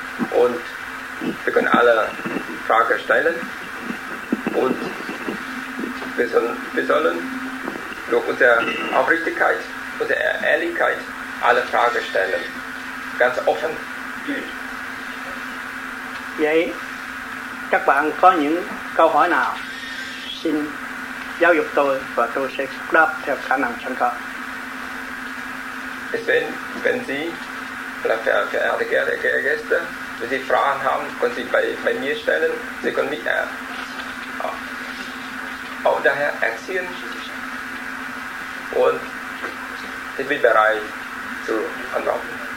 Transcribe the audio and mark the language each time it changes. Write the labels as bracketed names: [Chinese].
[German] Und wir können alle Fragen stellen. Und wir sollen durch unsere Aufrichtigkeit, unsere Ehrlichkeit alle Fragen stellen. Ganz offen. [Vietnamese] Vậy các bạn có những câu hỏi nào xin giáo dục tôi và tôi sẽ đáp theo khả năng sẵn có. [German] Wenn Sie oder verehrte Gäste, wenn Sie Fragen haben, können Sie bei mir stellen. Sie können mich auch daher erziehen und ich bin bereit zu antworten.